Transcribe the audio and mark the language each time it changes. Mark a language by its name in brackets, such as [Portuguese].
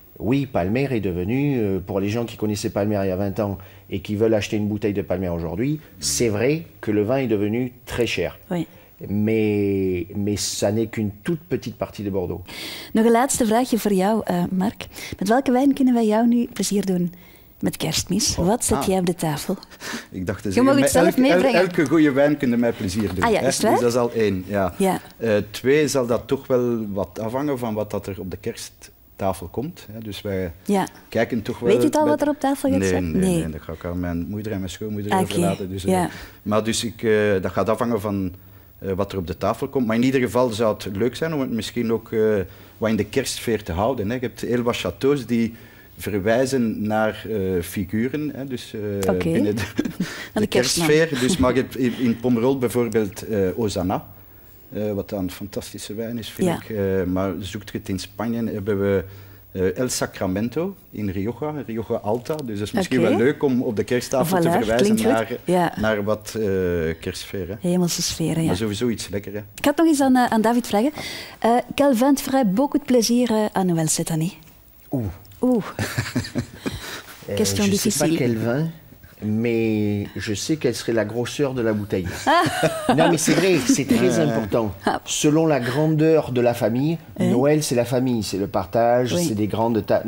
[French] Oui, Palmer est devenu, pour les gens qui connaissaient Palmer il y a 20 ans et qui veulent acheter une bouteille de Palmer aujourd'hui, c'est vrai que le vin est devenu très cher. Oui. Mais ça n'est qu'une toute petite partie de Bordeaux. [Dutch] Nog een laatste vraagje voor jou, Mark. Met welke wijn kunnen wij jou nu plezier doen met kerstmis? Oh. Wat zet jij op de tafel? Ik dacht je mag het zelf meebrengen. Elke goede wijn kunnen mij plezier doen. Ah ja, is het waar? Dus dat is al één. Ja. Ja. Twee zal dat toch wel wat afhangen van wat dat er op de kersttafel komt. Dus wij kijken toch wel... Weet je het al wat er op tafel gaat zijn? Nee, dat ga ik aan mijn moeder en mijn schoonmoeder overlaten. Dus, maar dus ik, dat gaat afhangen van... wat er op de tafel komt. Maar in ieder geval zou het leuk zijn om het misschien ook wat in de kerstsfeer te houden. Hè. Je hebt heel wat châteaux die verwijzen naar figuren. Hè. Dus binnen de kerstsfeer. Dus, maar je hebt in Pomerol bijvoorbeeld Osana. Wat een fantastische wijn is, vind ik. Maar zoekt je het in Spanje, hebben we El Sacramento in Rioja, Rioja Alta. Dus dat is misschien wel leuk om op de kersttafel voilà, te verwijzen naar, ja, naar wat kerstsfeer. Hè. Hemelse sfeer, ja. Maar sowieso iets lekker. Hè. Ik had nog eens aan David vragen. [French] Quel vin ferait beaucoup de plaisir à Noël cette année? Oeh. Question difficile. Je ne sais pas quel vin, mais je sais quelle serait la grosseur de la bouteille. Ah. Non, mais c'est vrai, c'est très important. Selon la grandeur de la famille, Noël, c'est la famille, c'est le partage, c'est des grandes tables.